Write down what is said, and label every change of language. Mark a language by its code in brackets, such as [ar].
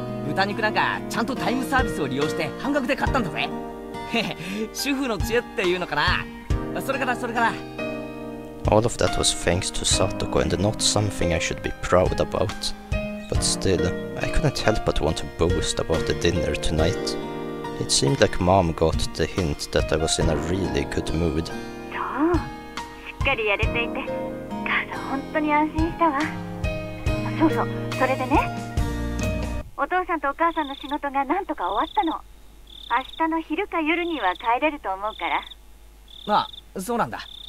[ja] 豚肉なんかちゃんとタイムサービスを利用して半額で買ったんだぜ。主婦の知恵っていうのかな。それからそれから。 [en] All of that was thanks to Satoko, and not something I should be proud about. But still, I couldn't help but want to boast about the dinner tonight. It seemed like Mom got the hint that I was in a really good mood. [ja] そう、しっかりやれていて、母さん本当に安心したわ。そうそう、それでね、お父さんとお母さんの仕事がなんとか終わったの。明日の昼か夜には帰れると思うから。まあ、そうなんだ。